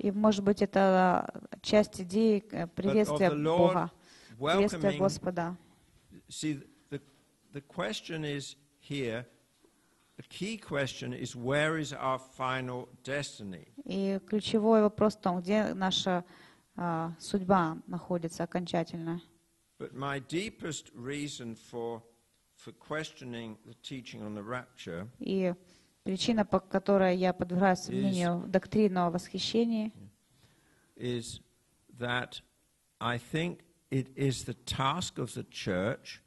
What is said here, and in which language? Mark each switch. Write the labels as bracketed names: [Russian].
[Russian] И может быть это часть идеи приветствия Бога, приветствия Господа. [English] See, the question is here. The key question is where is our final destiny? [Russian] И ключевой вопрос в том, где наша судьба находится окончательно. [English] But my deepest reason for for questioning the teaching on the rapture. [Russian] И причина, по которой я подвергаю сомнению доктрину о восхищении, [English] is that I think it is the task of the church